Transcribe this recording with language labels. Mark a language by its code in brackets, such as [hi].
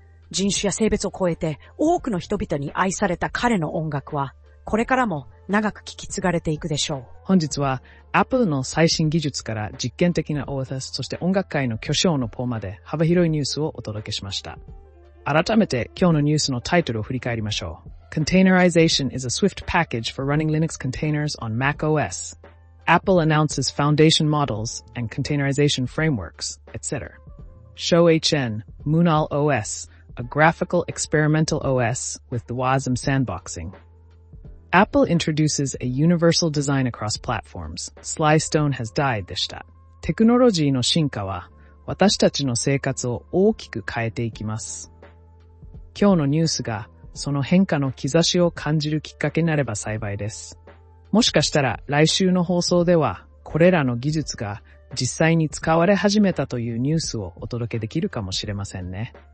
[ja] 人種や性別を超えて多くの人々に愛された彼の音楽はこれからも長く聞き継がれていくでしょう。本日は Apple の最新技術から実験的な OS、 そして音楽界の巨匠のポーまで幅広いニュースをお届けしました。改めて今日のニュースのタイトルを振り返りましょう。 [en] Containerization is a Swift package for running Linux containers on macOS. Apple announces foundation models and containerization frameworks, etc. ShowHN, Moonal OS,A graphical experimental OS with the Wasm sandboxing. Apple introduces a universal design across platforms. Sly Stone has died [ja] でした。テクノロジーの進化は私たちの生活を大きく変えていきます。今日のニュースがその変化の兆しを感じるきっかけになれば幸いです。もしかしたら来週の放送ではこれらの技術が実際に使われ始めたというニュースをお届けできるかもしれませんね。